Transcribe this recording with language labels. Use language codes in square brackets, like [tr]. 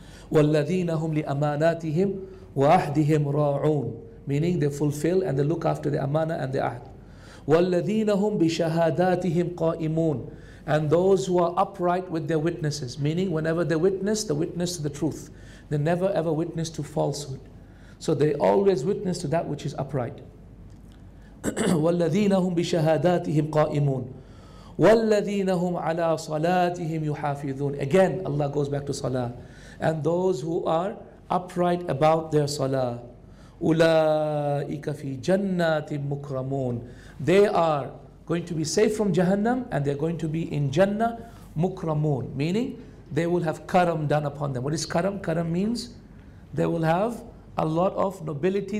[ar] وَالَّذِينَ هُمْ لِأَمَانَاتِهِمْ وَأَحْدِهِمْ رَاعُونَ [en] Meaning they fulfill and they look after the amana and the ahd. [ar] وَالَّذِينَ هُمْ بِشَهَادَاتِهِمْ قَائِمُونَ [en] And those who are upright with their witnesses. Meaning whenever they witness to the truth. They never ever witness to falsehood. So they always witness to that which is upright. [ar] وَالَّذِينَ هُمْ بِشَهَادَاتِهِمْ قَائِمُونَ وَالَّذِينَ هُمْ عَلَىٰ صَلَاتِهِمْ يُحَافِظُونَ [en] Again, Allah goes back to salah. And those who are upright about their salah. [ar] أُولَٰئِكَ فِي جَنَّاتٍ مُكْرَمُونَ [en] They are going to be safe from Jahannam and they're going to be in Jannah mukramun. Meaning, they will have karam done upon them. What is karam? Karam means they will have a lot of nobility.